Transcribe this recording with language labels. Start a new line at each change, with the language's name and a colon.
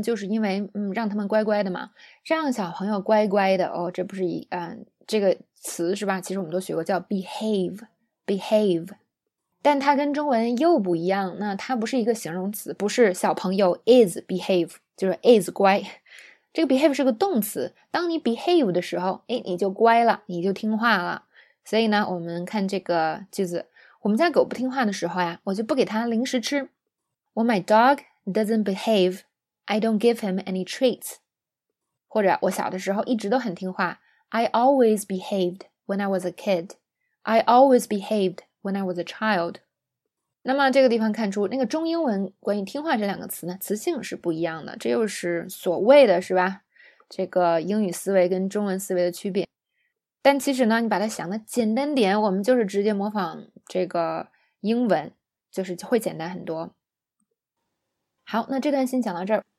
Chinese: 就是因为让他们乖乖的嘛，让小朋友乖乖的哦，这不是这个词是吧，其实我们都学过叫 behave, 但它跟中文又不一样，那它不是一个形容词，不是小朋友 is behave, 就是 is 乖，这个 behave 是个动词，当你 behave 的时候，诶，你就乖了，你就听话了。所以呢，我们看这个句子，我们家狗不听话的时候呀，我就不给它零食吃。
English: When my dog doesn't behave, I don't give him any treats.
Chinese: 或者我小的时候一直都很听话。
English: I always behaved when I was a kid. I always behaved when I was a child.
Chinese: 那么这个地方看出，那个中英文关于听话这两个词呢，词性是不一样的。这又是所谓的是吧，这个英语思维跟中文思维的区别。但其实呢，你把它想的简单点，我们就是直接模仿这个英文，就是会简单很多。好，那这段先讲到这儿。